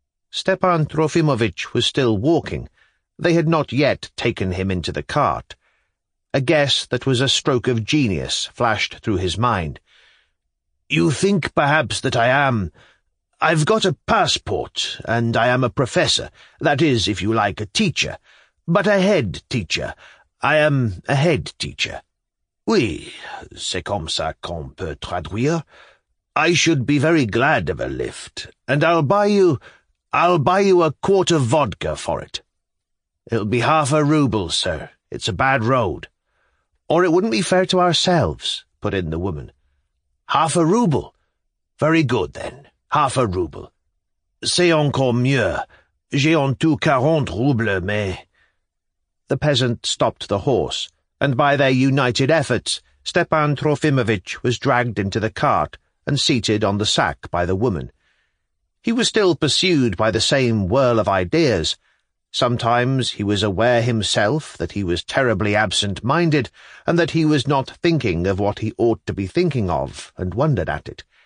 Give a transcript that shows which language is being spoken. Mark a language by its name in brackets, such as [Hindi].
[English] Stepan Trofimovitch was still walking. They had not yet taken him into the cart. A guess that was a stroke of genius flashed through his mind. You think, perhaps, that I am... I've got a passport, and I am a professor. That is, if you like, a teacher. But a head teacher. I am a head teacher. [French] Oui, c'est comme ça qu'on peut traduire. [English] I should be very glad of a lift, and I'll buy you a quart of vodka for it. It'll be half a rouble, sir. It's a bad road. Or it wouldn't be fair to ourselves, put in the woman. Half a rouble? Very good, then. Half a rouble. [French] C'est encore mieux. J'ai en tout 40 roubles, mais... [English] The peasant stopped the horse, and by their united efforts, Stepan Trofimovitch was dragged into the cart and seated on the sack by the woman. He was still pursued by the same whirl of ideas. Sometimes he was aware himself that he was terribly absent-minded and that he was not thinking of what he ought to be thinking of, and wondered at it.